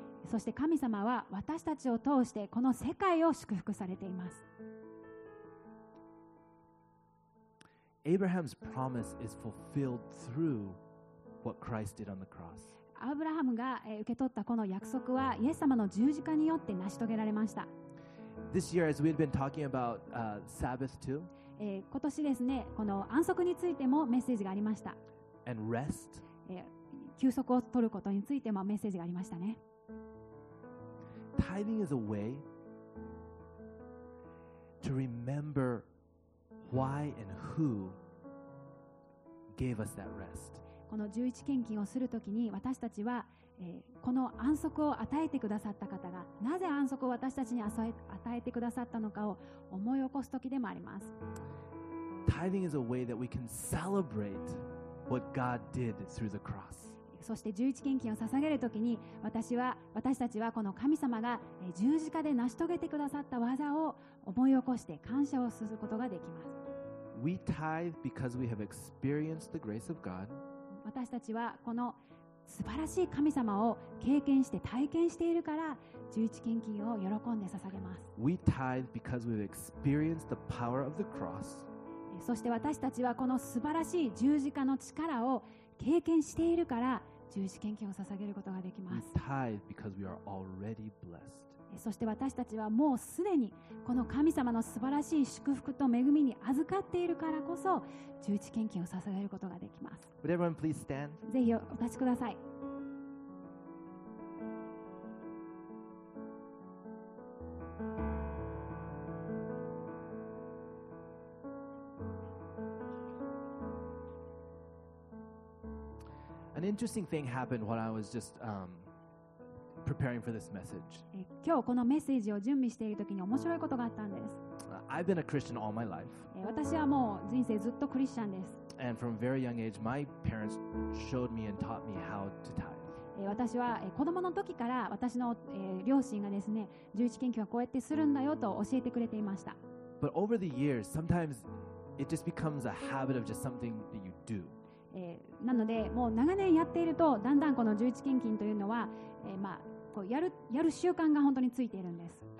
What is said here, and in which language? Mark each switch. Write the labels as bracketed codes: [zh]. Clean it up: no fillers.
[ja] そして神様は私たちを通してこの世界を祝福されています。 [en] Abraham's promise is fulfilled through what Christ did on the cross. [ja] Abraham が受け取ったこの約束はイエス様の十字架によって成し遂げられました。 [en] This year, as we've been talking about Sabbath too, [ja] 今年ですね、この安息についてもメッセージがありました。 [en] And rest, [ja] 休息を取ることについてもメッセージがありましたね。 [en] Tithing is a way to rememberWhy and who gave us that rest? [ja] この十一献金をするときに私たちは、この安息を与えてくださった方がなぜ安息を私たちに与えてくださったのかを思い起こすときでもあります。 [en] Tithing is a way that we can celebrate what God did through the cross. [ja] そして十一献金を捧げるときに私たちはこの神様が十字架で成し遂げてくださった技を思い起こして感謝をすることができます。 [en] We tithe because we have experienced the grace of God. [ja] 私たちはこの素晴らしい神様を経験して体験しているから十一献金を喜んで捧げます。 [en] We tithe because we've experienced the power of the cross. [ja] そして私たちはこの素晴らしい十字架の力を経験しているから十字献金を捧げることができます。 [en] We tithe because we are already blessed. [ja] そして私たちはもうすでにこの神様の素晴らしい祝福と恵みに預かっているからこそ十字献金を捧げることができます。 [en] Would everyone please stand? [ja] ぜひお立ちください。 [en] An interesting thing happened while I was just preparing for this message. [ja] 今日このメッセージを準備しているときに面白いことがあったんです。 [en] I've been a Christian all my life. [ja] 私はもう人生ずっとクリスチャンです。 [en] And from a very young age, my parents showed me and taught me how to tithe. [ja] 私は子供の時から私の両親がですね、十一献金はこうやってするんだよと教えてくれていました。 [en] But over the years, sometimes it just becomes a habit of just something that you do. [ja] なのでもう長年やっているとだんだんこの十一献金というのは、まあ、こうやる習慣が本当についているんです。